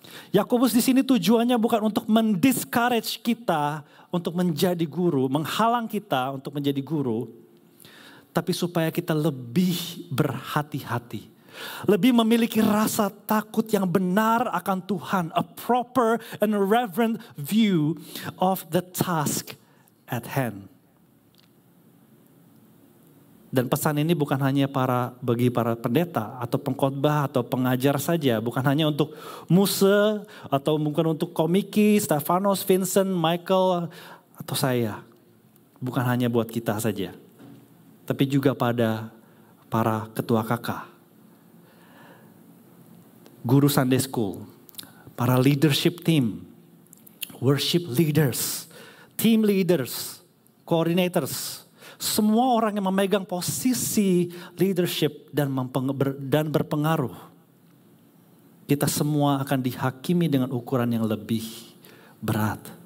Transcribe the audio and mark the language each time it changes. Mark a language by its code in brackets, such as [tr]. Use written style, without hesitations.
[id] Yakobus di sini tujuannya bukan untuk mendiscourage kita untuk menjadi guru, menghalang kita untuk menjadi guru, tapi supaya kita lebih berhati-hati. Lebih memiliki rasa takut yang benar akan Tuhan. [en] A proper and reverent view of the task at hand. [id] Dan pesan ini bukan hanya bagi para pendeta atau pengkhotbah atau pengajar saja. Bukan hanya untuk Musa atau mungkin untuk Komiki, Stefanos, Vincent, Michael atau saya. Bukan hanya buat kita saja. Tapi juga pada para ketua kakak, guru Sunday School, para [en] leadership team, worship leaders, team leaders, coordinators, [id] semua orang yang memegang posisi leadership dan berpengaruh, kita semua akan dihakimi dengan ukuran yang lebih berat.